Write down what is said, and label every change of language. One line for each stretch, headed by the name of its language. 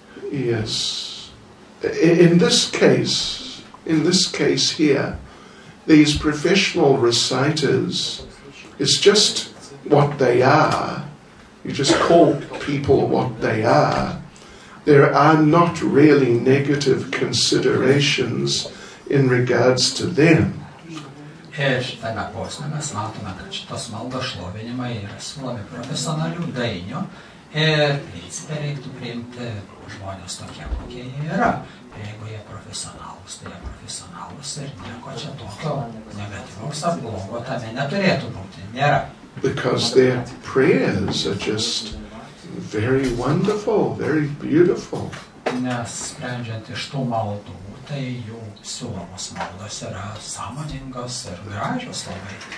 English: Yes, in this case here, these professional reciters, it's just what they are. You just call people what they are. There are not really negative considerations in regards to them.
Lithuanian: Ir tame posme mes matome, kad šitos maldo šlovinimai yra siūlomi profesionalių dainių ir principe reiktų priimti žmonės tokie, kokie jie yra. Jeigu jie profesionalus, tai jie profesionalus ir nieko čia tokio negatyvaus ar blogo tame neturėtų būti. Nėra.
English: Because their prayers are just very wonderful, very beautiful.
Lithuanian: Nes sprendžiant iš tų maldų, tai jų siūlomos maldos yra sąmoningos ir gražios labai.